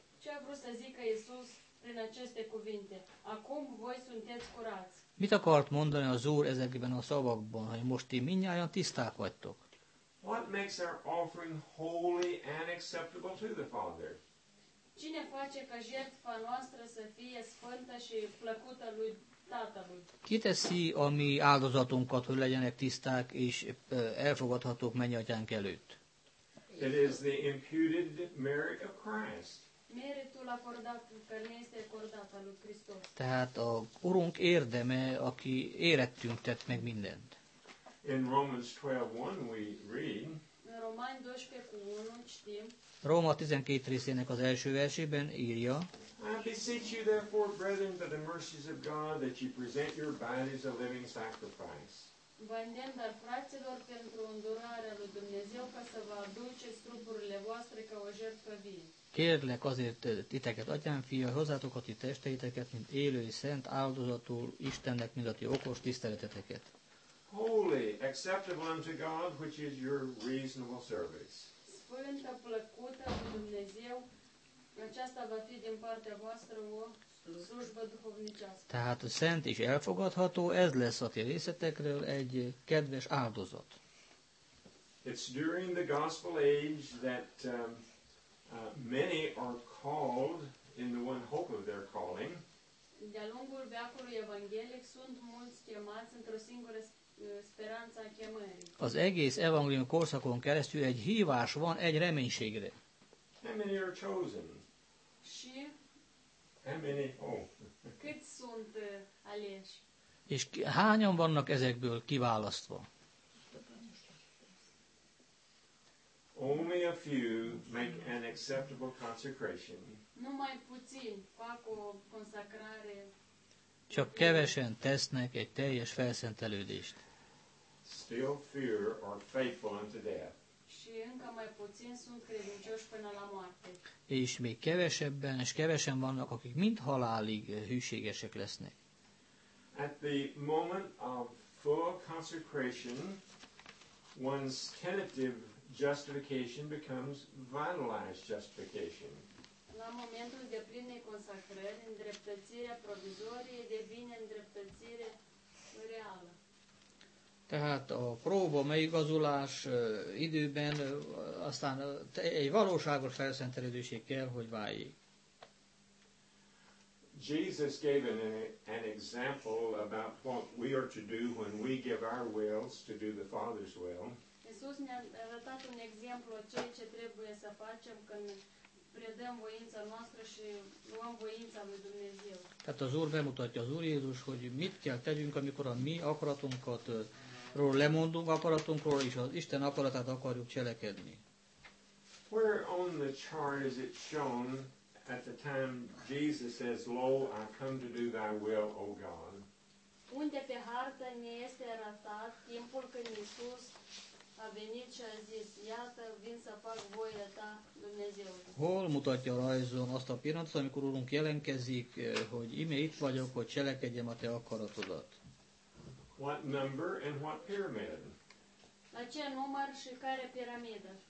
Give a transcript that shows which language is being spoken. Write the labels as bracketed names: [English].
[Romanian] Ce a vrut să zică Iisus prin aceste cuvinte? Acum voi sunteți curați. [Hungarian] Mit akart mondani az Úr ezekben a szavakban, hogy most ti mindnyájan tiszták vagytok? [English] What makes our offering holy and acceptable to the Father? [Romanian] Cine face ca jertfa noastră să fie sfântă și plăcută lui Tatălui? [Hungarian] Ki teszi a mi áldozatunkat, hogy legyenek tiszták és elfogadhatók mennyatyánk előtt? [English] It is the imputed merit of Christ. [Romanian] Meritul acordat, care ne este acordat al lui Hristos. [Hungarian] Tehát a Urunk érdeme, aki érettünk tett meg mindent. [English] In Romans 12:1 we read. [Romanian] Romani 12:1 citim. [Hungarian] Róma 12 részének az első versében írja. [English] I beseech you therefore, brethren, by the mercies of God, that you present your bodies a living sacrifice. [Romanian] Vă îndemn, dar fraților, pentru îndurarea lui Dumnezeu, ca să vă aduceți trupurile voastre ca o jertfă vie. [Hungarian] Kérlek azért titeket, atyám, fia, hozzátok a ti testeiteket, mint élő, szent áldozatul Istennek, mint a ti okos tiszteleteteket. [English] Holy, acceptable unto God, which is your reasonable service. [Romanian] Sfântă, plăcută lui Dumnezeu, aceasta va fi din partea voastră o slujbă duhovnicească. [Hungarian] Tehát szent és elfogadható, ez lesz a ti részetekről egy kedves áldozat. [English] It's during the gospel age that many are called in the one hope of their calling. [Romanian] De-a lungul veacului evanghelic sunt mulți chemați într-o singură speranța chemării. [Hungarian] Az egész evanghelium korszakon keresztül egy hívás van egy reménységre. [English] How many are chosen? [Romanian] Și? [English] How many? [Romanian] Cât sunt aleși? [Hungarian] És hányan vannak ezekből kiválasztva? [English] Only a few make an acceptable consecration. [Romanian] Numai puțin fac o consacrare. [Hungarian] Csak kevesen tesznek egy teljes felszentelődést. [English] Still fewer are faithful unto death. [Romanian] Și încă mai puțin sunt credincioși până la moarte. [Hungarian] És még kevesebben és kevesen vannak, akik mind halálig hűségesek lesznek. [English] At the moment of full consecration, one's tentative justification becomes vitalized justification. [Romanian] La momentul de plină consacrare, îndreptățirea provizorie devine îndreptățire reală. [Hungarian] Tehát a próba megigazulás időben aztán egy valóságos felszentelődőség kell, hogy váljék. [English] Jesus gave an example about what we are to do when we give our wills to do the Father's will. [Romanian] Iisus ne-a arătat un exemplu a ceea ce trebuie să facem când predăm voința noastră și luăm voința lui Dumnezeu. [Hungarian] Tehát az Úr bemutatja az Úr Jézus, hogy mit kell tegyünk, amikor a mi akaratunkat ról lemondunk akaratunkról, és az Isten akaratát akarjuk cselekedni. [English] Where on the chart is it shown at the time Jesus says, "Lo, I come to do thy will, O God"? [Romanian] Unde pe hartă ne este arătat timpul când Iisus a venit și a zis, iată, vin să fac voia ta, Dumnezeu. [Hungarian] Hol mutatja a rajzon azt a pillanatot, amikor Urunk jelenkezik, hogy ime itt vagyok, hogy cselekedjem a te akaratodat? [English] What number and what pyramid? [Romanian] La ce număr și care piramidă?